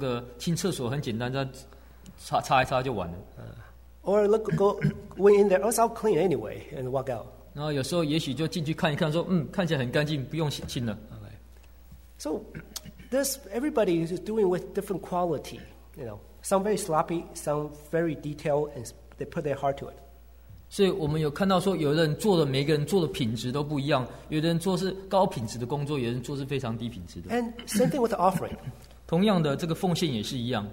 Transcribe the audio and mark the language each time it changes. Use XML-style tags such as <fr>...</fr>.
<zh>当我想我们有时候都会被排说清厕所，那有些人就是拿这个清厕所很简单，擦擦一擦就完了。</zh> <en>Or look, go, went in there. Also, clean anyway and walk out.</en> <zh>然后有时候也许就进去看一看，说，嗯，看起来很干净，不用清了。</zh> <en>So, this everybody is doing with different quality. You know, some very sloppy, some very detailed, and they put their heart to it.</en> <zh>所以我们有看到说，有人做的每个人做的品质都不一样。有的人做是高品质的工作，有人做是非常低品质的。</zh> <en>And same thing with the offering.</en> <zh>同样的，这个奉献也是一样。</zh>